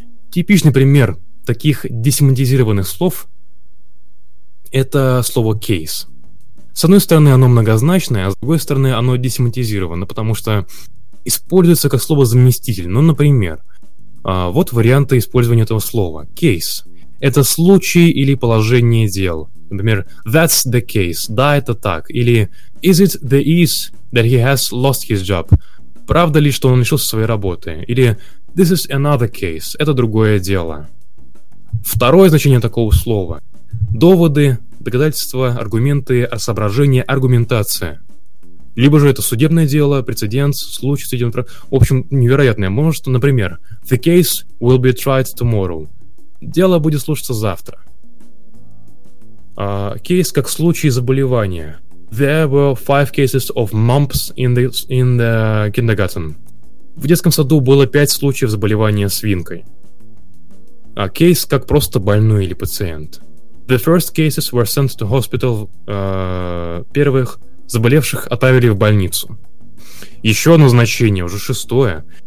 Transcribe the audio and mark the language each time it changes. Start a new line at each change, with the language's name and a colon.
Russian: Типичный пример таких десемантизированных слов — это слово «кейс». С одной стороны, оно многозначное, а с другой стороны, оно десемантизировано, потому что используется как слово-заместитель. Ну, например, вот варианты использования этого слова «кейс». Это случай или положение дел. Например,
English: that's the case.
Russian: Да, это так. Или
English: is it the is that he has lost his job?
Russian: Правда ли, что он лишился своей работы? Или
English: this is another case.
Russian: Это другое дело. Второе значение такого слова. Доводы, доказательства, аргументы, соображения, аргументация. Либо же это судебное дело, прецедент, случай судебного... В общем, невероятное. Может, например,
English: the case will be tried tomorrow.
Russian: Дело будет слушаться завтра. Кейс как случай заболевания.
English: There were 5 cases of mumps in the kindergarten.
Russian: В детском саду было 5 случаев заболевания свинкой. Кейс как просто больной или пациент.
English: The first cases were sent to hospital.
Russian: Первых заболевших отправили в больницу. Еще одно значение, уже 6-е.